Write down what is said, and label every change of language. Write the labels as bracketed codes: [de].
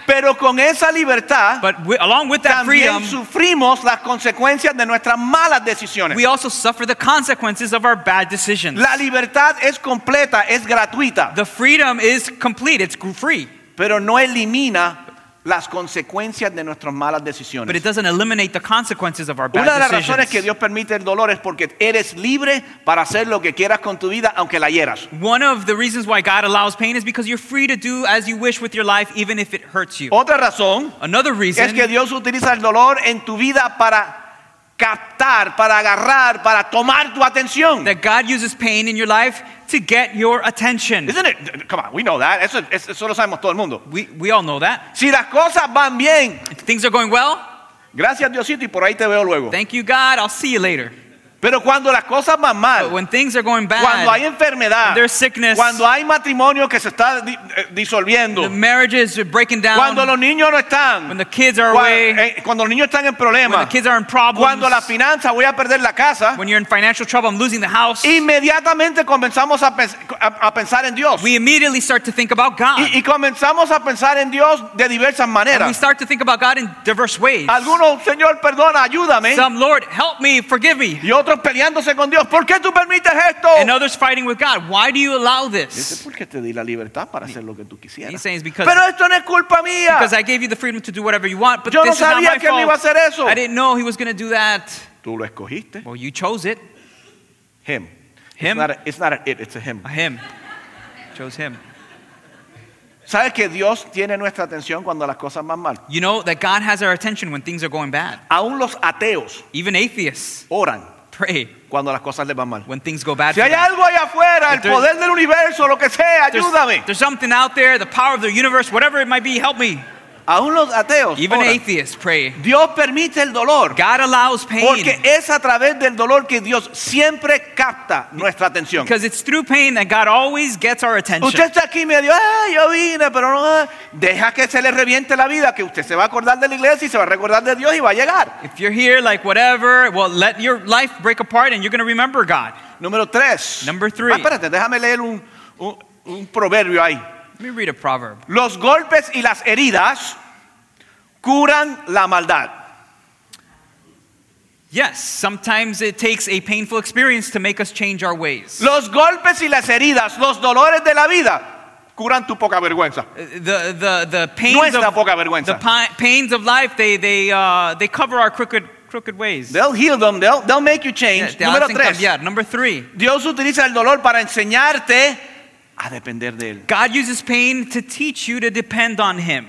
[es] Pero con esa libertad, [en] but along with that freedom, [es] también sufrimos las consecuencias de nuestras malas decisiones. [en] We also suffer the consequences of our bad decisions. [es] La libertad es completa, es gratuita. [en] The freedom is complete, it's free. [es] Pero no elimina las consecuencias de nuestras malas decisiones. [en] But it doesn't eliminate the consequences of our bad decisions. [es] Una de las razones que Dios permite el dolor es porque eres libre para hacer lo que quieras con tu vida, aunque la hieras. [en] One of the reasons why God allows pain is because you're free to do as you wish with your life, even if it hurts you. [es] Otra razón, [en] another reason, [es] es que Dios utiliza el dolor en tu vida para captar, para agarrar, para tomar tu atención. [en] That God uses pain in your life to get your attention. Isn't it? Come on, we know that. [es] Eso lo sabemos todo el mundo. [en] We all know that. [es] Si las cosas van bien, [en] if things are going well, [es] gracias Diosito y por ahí te veo luego. [en] Thank you God, I'll see you later. [es] Pero cuando las cosas van mal, [en] but when things are going bad, [es] cuando hay enfermedad, [en] when there's sickness, [es] cuando hay matrimonio que se está disolviendo, [en] the marriages are breaking down, [es] cuando los niños no están, [en] when the kids are away, [es] cuando los niños están en problemas, [en] when the kids are in problems, [es] cuando la finanza, voy a perder la casa, [en] when you're in financial trouble, I'm losing the house, [es] inmediatamente comenzamos a pensar en Dios. [en] We immediately start to think about God. [es] Y comenzamos a pensar en Dios de diversas maneras. [en] And we start to think about God in diverse ways. [es] Algunos, Señor, perdona, ayúdame. [en] Some, Lord, help me, forgive me. [es] Y otros, otros peleándose con Dios. ¿Por qué tú permites esto? [en] And others fighting with God. Why do you allow this? [es] Porque te di la libertad para hacer lo que tú quisieras. [en] He's saying it's because. [es] Pero esto no es culpa mía. [en] Because I gave you the freedom to do whatever you want, but [es] yo [en] this [es] no sabía [en] is not my fault. [es] Iba a hacer eso. [en] I didn't know he was going to do that. [es] Tú lo escogiste. [en] Well, you chose it. Him. Him. It's not a him. A him. Chose him. [es] ¿Sabes que Dios tiene nuestra atención cuando las cosas van mal? [en] You know that God has our attention when things are going bad. [es] Aún los ateos, [en] even atheists, [es] oran, [en] pray, [es] cuando las cosas les van mal. [en] When things go bad. [es] Si hay algo allá afuera, el poder del universo, lo que sea, ayúdame. [en] There's something out there, the power of the universe, whatever it might be, help me. [es] Aún los ateos, [en] even [es] oran. [en] Atheists, pray. [es] Dios permite el dolor. [en] God allows pain. [es] Porque es a través del dolor que Dios siempre capta nuestra atención. [en] Because it's through pain that God always gets our attention. [es] Usted está aquí medio, yo vine, pero no. Deja que se le reviente la vida, que usted se va a acordar de la iglesia y se va a recordar de Dios y va a llegar. [en] If you're here like whatever, well, let your life break apart and you're going to remember God. [es] Número tres. [en] Number three. [es] Espérate, déjame leer un proverbio ahí. [en] Let me read a proverb. [es] Los golpes y las heridas curan la maldad. [en] Yes, sometimes it takes a painful experience to make us change our ways. [es] Los golpes y las heridas, los dolores de la vida, curan tu poca vergüenza. [en] The pains [es] nuestra [en] of [es] poca vergüenza. [en] The pains of life, they cover our crooked ways. They'll heal them. They'll make you change. Yeah, [es] número tres. [en] Cambiar. Number three. [es] Dios utiliza el dolor para enseñarte. A depender de él. [en] God uses pain to teach you to depend on him.